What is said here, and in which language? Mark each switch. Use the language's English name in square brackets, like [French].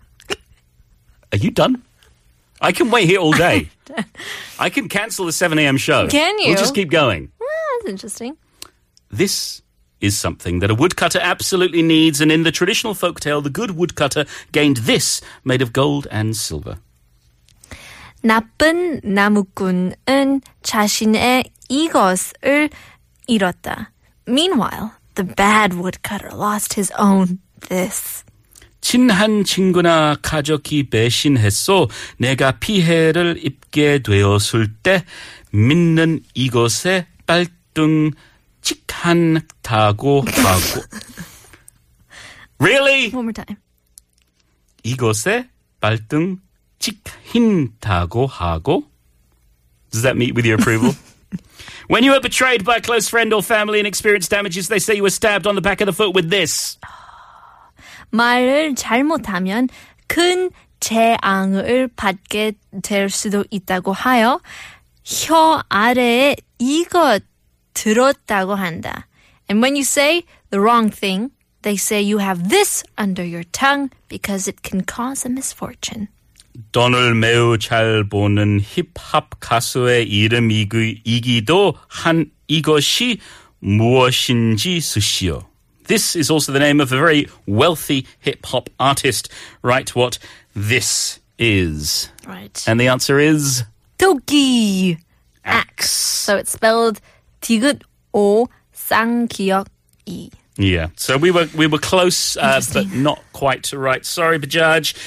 [English] Are you done? I can wait here all day. I can cancel the 7 a.m. show. Can you? We'll just keep going. Interesting. This is something that a woodcutter absolutely needs, and in the traditional folktale, the good woodcutter gained this made of gold and silver. [Korean] 나쁜 나무꾼은 자신의 이것을 잃었다. [English] Meanwhile, the bad woodcutter lost his own this. [Korean] 친한 친구나 가족이 배신했어 내가 피해를 입게 되었을 때 믿는 이것에 빨대 [English] Really? One more time. [Korean] 이것에 발등 직힌다고 하고. [English] Does that meet with your approval? When you are betrayed by a close friend or family and experience damages, they say you were stabbed on the back of the foot with this. [Korean] 말을 잘못하면 큰 재앙을 받게 될 수도 있다고 하여 혀 아래에 이것 들었다고 한다. [English] And when you say the wrong thing, they say you have this under your tongue because it can cause a misfortune. [Korean] 돈을 매우 잘 버는 힙합 가수의 이름이기도 한 이것이 무엇인지 쓰시오. [English] This is also the name of a very wealthy hip-hop artist. Write what this is. Right. And the answer is... Toki! Axe. So it's spelled... [Korean] 디귿 오 쌍기역이. [English] Yeah, so we were close, but not quite right. Sorry, Bajaj.